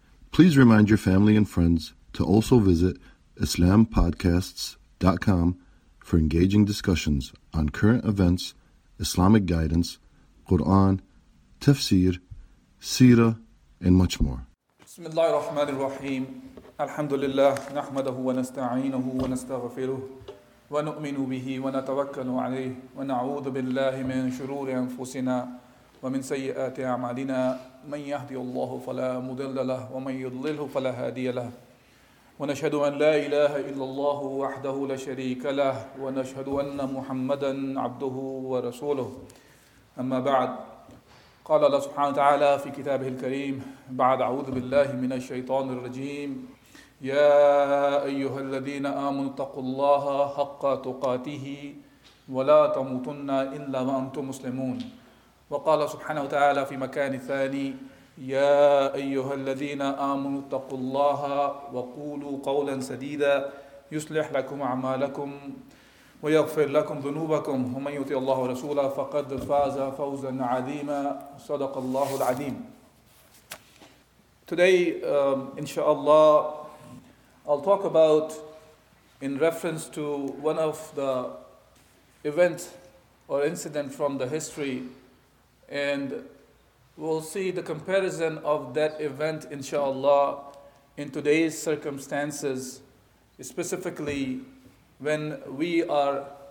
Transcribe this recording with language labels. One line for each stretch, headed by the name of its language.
English: Please remind your family and friends to also visit IslamPodcasts.com for engaging discussions on current events, Islamic guidance, Quran, tafsir, seerah, and much more.
Arabic: Bismillahir Rahmanir Rahim. الحمد لله نحمده ونستعينه ونستغفره ونؤمن به ونتوكل عليه ونعوذ بالله من شرور أنفسنا ومن سيئات أعمالنا من يهدي الله فلا مضل له ومن يضلله فلا هادي له ونشهد أن لا إله إلا الله وحده لا شريك له ونشهد أن محمدا عبده ورسوله أما بعد قال الله سبحانه وتعالى في كتابه الكريم بعد أعوذ بالله من الشيطان الرجيم يا أيها الذين آمنوا اتقوا الله حق تقاته ولا تموتن إلا وأنتم مسلمون وقال سبحانه وتعالى في مكان ثاني يا أيها الذين آمنوا اتقوا الله وقولوا قولا سديدا يصلح لكم أعمالكم ويغفر لكم ذنوبكم ومن يطع الله ورسوله فقد فاز فوزا عظيما صدق الله العظيم.
English: Today
Arabic: إن شاء الله
English: I'll talk about, in reference to one of the events or incident from the history, and we'll see the comparison of that event, inshallah, in today's circumstances, specifically when we are